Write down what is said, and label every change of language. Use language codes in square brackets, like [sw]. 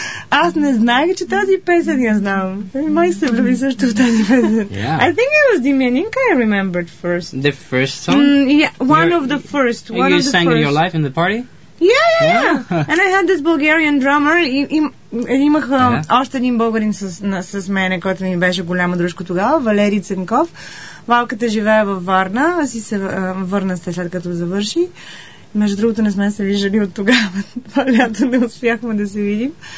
[bg] Аз не знаех, че тази песен я знам. Май се влюби също в тази песен. [en] Yeah. I think it was Dimianinka I remembered first. The first song? One of the first. You sang in your life in the party? Yeah. And I had this Bulgarian drummer. [bg] Имах още един българин с мене, който ми беше голяма дружка тогава, Валерий Ценков. Валката живее във Варна. Аз си се върна след като завърши. Между другото, не сме се виждали от тогава. Това лято не успяхме да се видим.